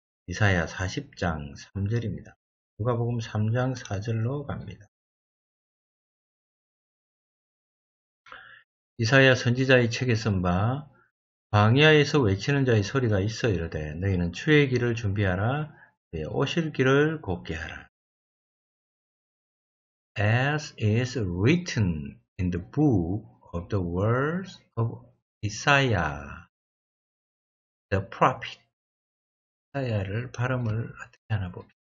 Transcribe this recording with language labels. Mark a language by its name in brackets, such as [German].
[Korean] 이사야 40장 3절입니다. 누가복음 3장 4절로 갑니다. 이사야 선지자의 책에 쓴 바 광야에서 외치는 자의 소리가 있어 이르되 너희는 추의 길을 준비하라 그의 오실 길을 곱게 하라. [English] As is written in the book of the words of Isaiah, the prophet. [Korean] 이사야를 발음을 어떻게 하나 봅시다.